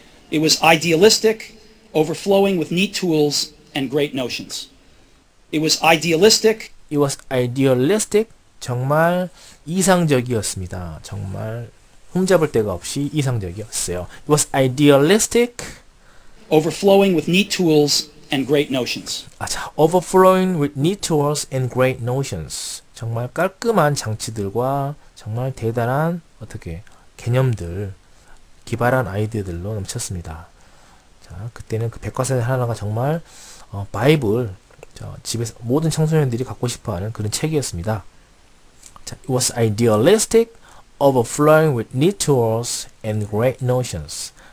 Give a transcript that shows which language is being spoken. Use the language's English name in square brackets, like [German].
[English] It was idealistic, overflowing with neat tools and great notions. It was idealistic. It was idealistic. [Korean] 정말 이상적이었습니다. 정말 흠잡을 데가 없이 이상적이었어요. [English] It was idealistic. Overflowing with neat tools and great notions. 아차, overflowing with neat tools and great notions. [Korean] 정말 깔끔한 장치들과 정말 대단한 어떻게 개념들, 기발한 아이디어들로 넘쳤습니다. 자, 그때는 그 백과사전 하나가 정말 바이블, 집에서 모든 청소년들이 갖고 싶어하는 그런 책이었습니다. [English] 자, it was idealistic, overflowing with neat tools and great notions.